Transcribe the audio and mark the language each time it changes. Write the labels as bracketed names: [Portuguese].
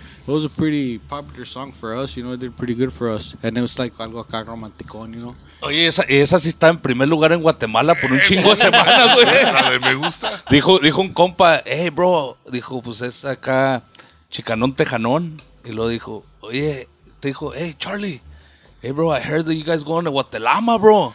[English] It was a pretty popular song for us, you know, it did pretty good for us. And it was like [Spanish] algo acá romanticón, [English] you know. [Spanish] Oye, esa sí está en primer lugar en Guatemala por un chingo de semanas, güey. Me gusta. Dijo un compa, hey, bro, dijo, pues es acá Chicanón Tejanón. Y luego dijo, oye, te dijo, hey, Charlie. [English] Hey, bro, I heard that you guys going to Guatelama, bro.